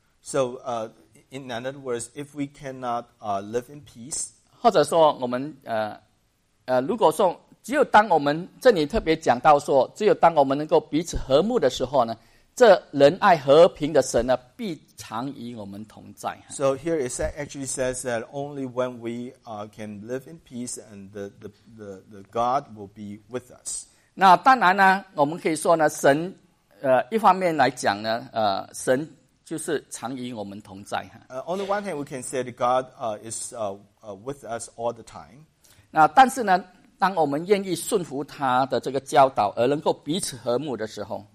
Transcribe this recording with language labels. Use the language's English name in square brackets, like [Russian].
[English] ？So, in other words, if we cannot live in peace, [Chinese] 或者说我们如果说只有当我们这里特别讲到说，只有当我们能够彼此和睦的时候呢，这仁爱和平的神呢，必常与我们同在。 [English] So here it actually says that only when we can live in peace and the God will be with us. [Chinese] 那当然呢，我们可以说呢，神一方面来讲呢，神就是常与我们同在。 [English] On the one hand, we can say that God is with us all the time. [Chinese] 那但是呢，当我们愿意顺服他的这个教导，而能够彼此和睦的时候